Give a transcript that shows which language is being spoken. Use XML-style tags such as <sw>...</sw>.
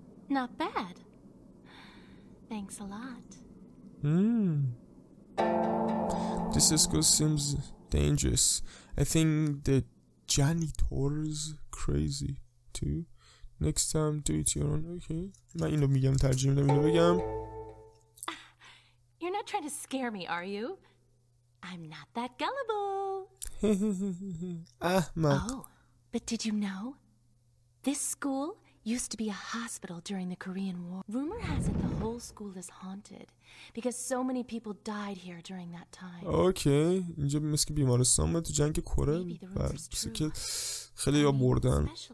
<en>Not bad. Thanks a lot. This school seems dangerous. I think the janitor's crazy too. Next time, do it your own. Okay.</en> <fa>من اینو میگم، ترجمه میدم اینو بگم.</fa> <en>You're not trying to scare me, are you? I'm not that gullible. Ahmad. Oh, but did you know? This school used to be a hospital during the Korean War. Rumor has it the whole school is haunted because so many people died here during that time.</en> <fa>Okay, اینجا میگه که بیمارستان بود تو جنگ کره و که خیلی ها مردن.</fa>